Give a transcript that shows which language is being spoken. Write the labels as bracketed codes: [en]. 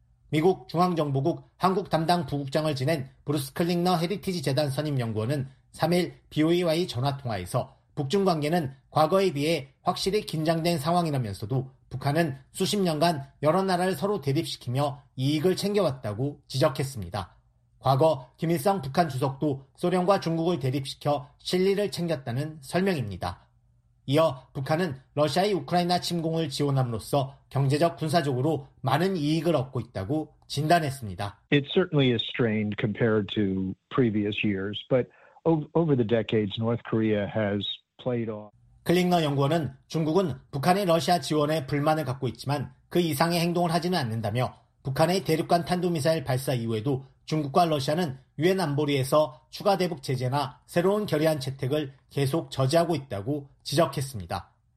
[ko] 미국 중앙정보국 한국 담당 부국장을 지낸 브루스 클링너 헤리티지 재단 선임연구원은 3일 BOA와의 전화통화에서 북중관계는 과거에 비해 확실히 긴장된 상황이라면서도 북한은 수십 년간 여러 나라를 서로 대립시키며 이익을 챙겨왔다고 지적했습니다. 과거 김일성 북한 주석도 소련과 중국을 대립시켜 실리를 챙겼다는 설명입니다. 이어 북한은 러시아의 우크라이나 침공을 지원함으로써 경제적 군사적으로 많은 이익을 얻고 있다고 진단했습니다. [en] It certainly is strained compared to previous years, but over the decades North Korea has played off. [ko] 클링너 연구원은 중국은 북한의 러시아 지원에 불만을 갖고 있지만 그 이상의 행동을 하지는 않는다며 북한의 대륙간 탄도미사일 발사 이후에도 중국과 러시아는 유엔 안보리에서 추가 대북 제재나 새로운 결의안 채택을 계속 저지하고 있다고 지적했습니다.